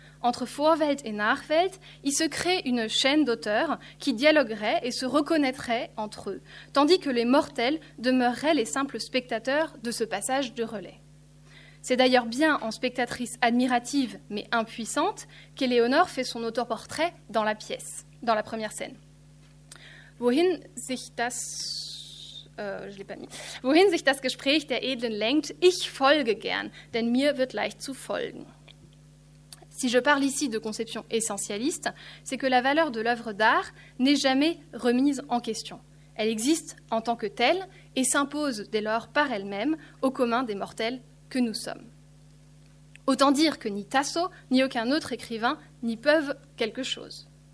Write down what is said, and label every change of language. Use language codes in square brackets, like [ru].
[fr] entre Vorwelt et Nachwelt, il se crée une chaîne d'auteurs qui dialogueraient et se reconnaîtraient entre eux, tandis que les mortels demeureraient les simples spectateurs de ce passage de relais. C'est d'ailleurs bien en spectatrice admirative mais impuissante qu'Éléonore fait son autoportrait dans la pièce, dans la première scène. [de] Wohin sich das Gespräch der Edlen lenkt, ich folge gern, denn mir wird leicht zu folgen. [fr] Si je parle ici de conception essentialiste, c'est que la valeur de l'œuvre d'art n'est jamais remise en question. Elle existe en tant que telle et s'impose dès lors par elle-même au commun des mortels que nous sommes. Autant dire que ni Tasso, ni aucun autre écrivain n'y peuvent quelque chose.